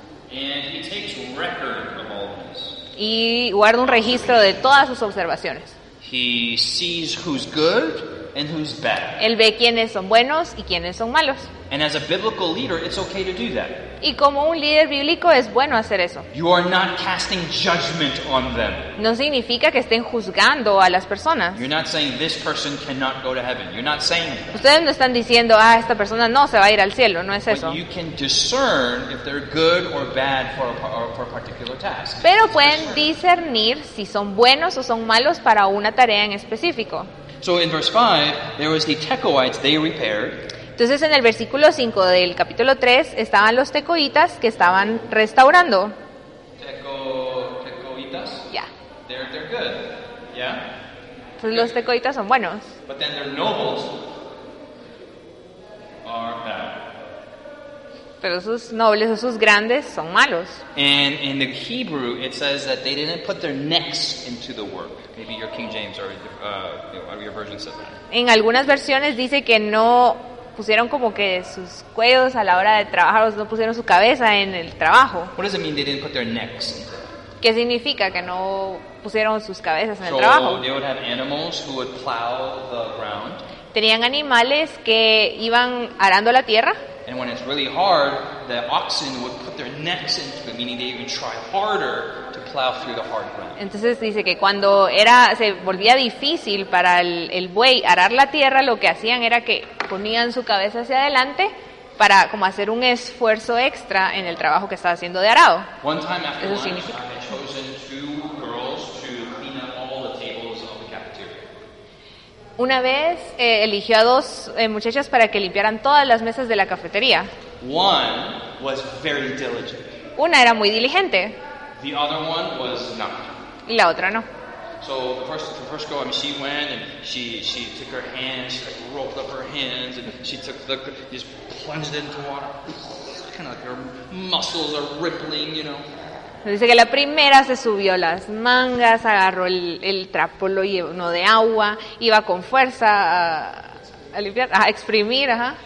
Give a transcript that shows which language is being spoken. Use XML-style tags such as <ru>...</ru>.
<en>And he takes record of all this.</en> <es>Y guarda un registro de todas sus observaciones.</es> <en>He sees who's good and who's bad.</en> <es>Él ve quiénes son buenos y quiénes son malos.</es> <en>And as a biblical leader, it's okay to do that.</en> <es>Y como un líder bíblico es bueno hacer eso.</es> <en>You are not casting judgment on them.</en> <es>No significa que estén juzgando a las personas.</es> <en>You're not saying this person cannot go to heaven. You're not saying that.</en> <es>Ustedes no están diciendo, ah, esta persona no se va a ir al cielo. No es eso.</es> <en>But you can discern if they're good or bad for a particular task.</en> <es>Pero pueden discernir si son buenos o son malos para una tarea en específico.</es> <en>So in verse 5, there was the Tekoites, they repaired.</en> <es>Entonces en el versículo 5 del capítulo 3 estaban los tecoitas que estaban restaurando. Tecoitas?</es> <en>Yeah. They're good. Yeah.</en> <es>Entonces los tecoitas son buenos.</es> <en>But then their nobles are bad.</en> <es>Pero sus nobles o sus grandes son malos.</es> <en>And in the Hebrew it says that they didn't put their necks into the work. Maybe your King James or your version said that.</en> <es>En algunas versiones dice que no pusieron como que sus cuellos a la hora de trabajar, o no pusieron su cabeza en el trabajo.</es> <en>What does it mean they didn't put their necks?</en> <es>¿Qué significa que no pusieron sus cabezas en el trabajo?</es> <en>So they would have animals who would plow the ground.</en> <es>Tenían animales que iban arando la tierra.</es> <en>And when it's really hard, the oxen would put their necks into it, meaning they even try harder to plow through the hard ground.</en> <es>Entonces dice que cuando se volvía difícil para el buey arar la tierra, lo que hacían era que ponían su cabeza hacia adelante para como hacer un esfuerzo extra en el trabajo que estaba haciendo de arado.</es> <en>One time after lunch, I had chosen two girls to clean up all the tables of the cafeteria.</en> <es>Una vez eligió a dos muchachas para que limpiaran todas las mesas de la cafetería.</es> <en>One was very diligent.</en> <es>Una era muy diligente.</es> <en>The other one was not.</en> <es>Y la otra no.</es> <en>So the first girl, I mean, she went and she took her hands, she like rolled up her hands and she took the, just plunged into water. Kind of like her muscles are rippling, you know.</en> <es>Dice que la primera se subió las mangas, agarró el trapo, lo llenó de agua, iba con fuerza a limpiar, a exprimir, ajá.</es>